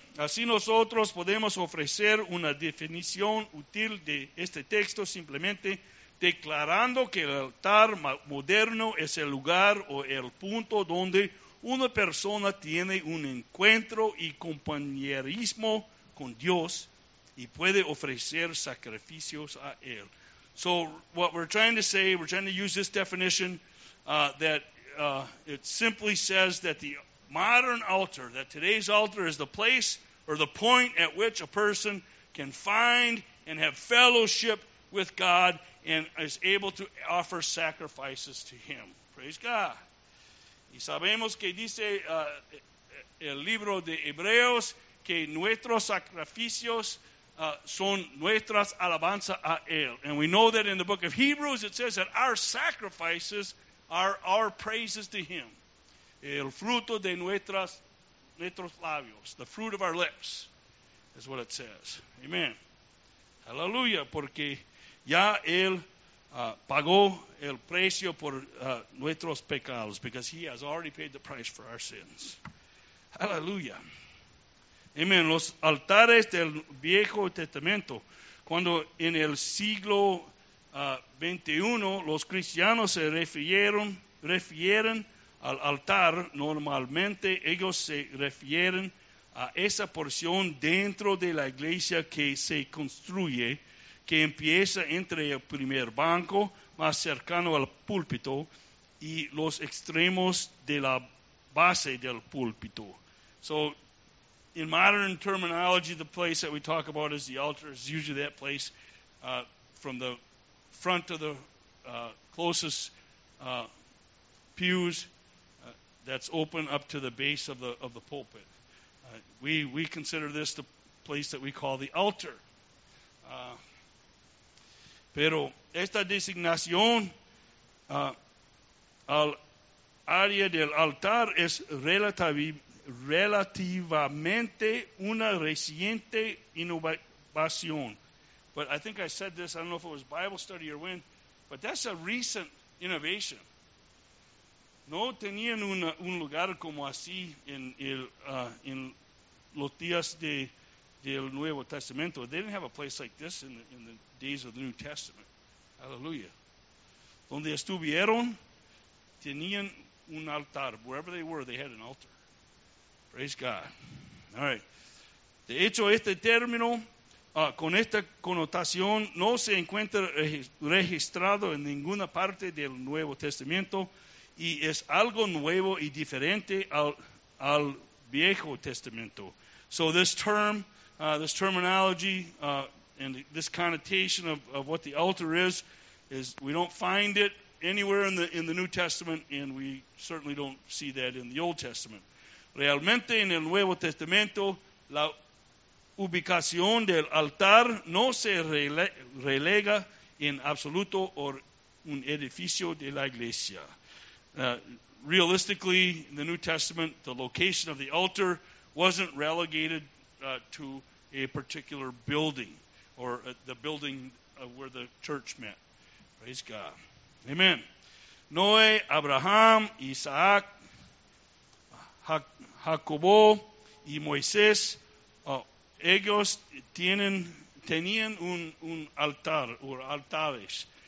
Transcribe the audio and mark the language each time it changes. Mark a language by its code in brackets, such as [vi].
[es] Así nosotros podemos ofrecer una definición útil de este texto simplemente declarando que el altar moderno es el lugar o el punto donde una persona tiene un encuentro y compañerismo con Dios y puede ofrecer sacrificios a Él. [en] So what we're trying to say, we're trying to use this definition that it simply says that the modern altar, that today's altar is the place or the point at which a person can find and have fellowship with God and is able to offer sacrifices to Him. Praise God. [es] Y sabemos que dice el libro de Hebreos que nuestros sacrificios son nuestras alabanzas a Él. [en] And we know that in the book of Hebrews it says that our sacrifices are our praises to Him. [es] El fruto de nuestros labios. [en] The fruit of our lips is what it says. Amen. Hallelujah. [es] Porque ya Él pagó el precio por nuestros pecados. [en] Because He has already paid the price for our sins. Hallelujah. Amén. [es] Los altares del Viejo Testamento, cuando en el siglo 21 los cristianos se refieren al altar, normalmente ellos se refieren a esa porción dentro de la iglesia que se construye, que empieza entre el primer banco más cercano al púlpito y los extremos de la base del púlpito. [en] So, in modern terminology, the place that we talk about is the altar. It's usually that place from the front of the closest pews that's open up to the base of the pulpit. We consider this the place that we call the altar. [es] Pero esta designación al área del altar es relativamente una reciente innovación. [en] But I think I said this, I don't know if it was Bible study or when, but that's a recent innovation. [es] No tenían un lugar como así en los días del Nuevo Testamento. [en] They didn't have a place like this in the days of the New Testament. Hallelujah. [es] Donde estuvieron, tenían un altar. [en] Wherever they were, they had an altar. Praise God. All right. [es] De hecho, este término con esta connotación no se encuentra registrado en ninguna parte del Nuevo Testamento y es algo nuevo y diferente al Viejo Testamento. [en] So this term, this terminology, and this connotation of what the altar is we don't find it anywhere in the New Testament, and we certainly don't see that in the Old Testament. [es] Realmente en el Nuevo Testamento la ubicación del altar no se relega en absoluto or un edificio de la iglesia. [en] Realistically, in the New Testament, the location of the altar wasn't relegated to a particular building or the building where the church met. Praise God. Amen. [es] Noé, Abraham, Isaac, Jacobo y Moisés, ellos tenían un altar o altares.